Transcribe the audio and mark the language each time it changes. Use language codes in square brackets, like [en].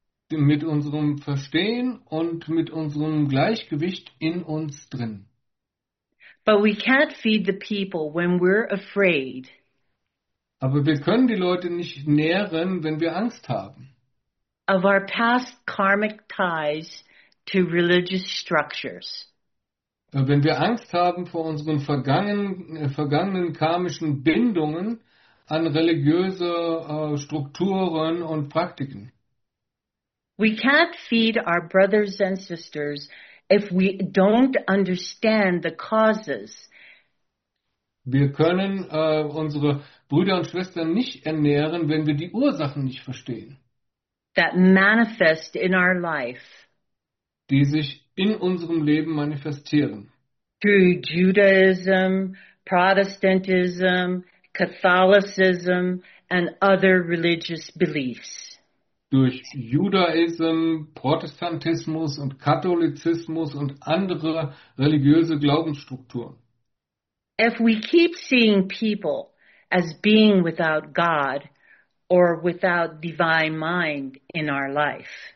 [de] Mit unserem Verstehen und mit unserem Gleichgewicht in uns drin. [en] But we can't feed the people when we're afraid. [de] Aber wir können die Leute nicht nähren, wenn wir Angst haben. [en] Of our past karmic ties to religious structures. [de] Wenn wir Angst haben vor unseren vergangenen karmischen Bindungen an religiöse Strukturen und Praktiken. [en] We can't feed our brothers and sisters if we don't understand the causes. [de] Wir können unsere Brüder und Schwestern nicht ernähren, wenn wir die Ursachen nicht verstehen. [en] That manifest in our life. [de] Die sich in unserem Leben manifestieren. [en] Through Judaism, Protestantism, Catholicism and other religious beliefs. [de] Durch Judaism, Protestantismus und Katholizismus und andere religiöse Glaubensstrukturen. [en] If we keep seeing people as being without God or without divine mind in our life.